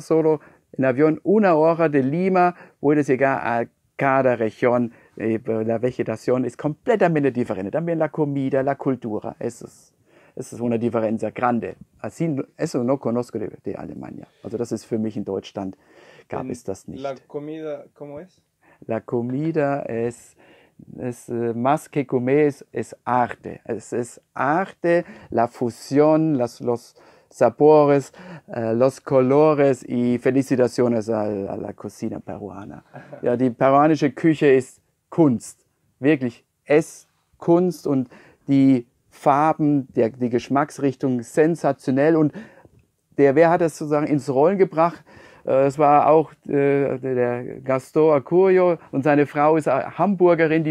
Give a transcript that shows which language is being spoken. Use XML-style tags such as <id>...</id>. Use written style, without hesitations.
<es>Solo en avión una hora de Lima puedes llegar a cada región. La vegetación es completamente diferente. También la comida, la cultura. Es una diferencia grande. Así, eso no conozco de Alemania.</es> <de>Also das ist für mich in Deutschland... Gab es das nicht.</de> <es>La comida, ¿cómo es? La comida es más que comer, es arte. Es arte, la fusión, los sabores, los colores y felicitaciones a la cocina peruana.</es> <de>Ja, die peruanische Küche ist Kunst. Wirklich, es Kunst und die Farben, die Geschmacksrichtung sensationell. Und wer hat das sozusagen ins Rollen gebracht? Das war auch der Gaston Acurio und seine Frau ist Hamburgerin.</de>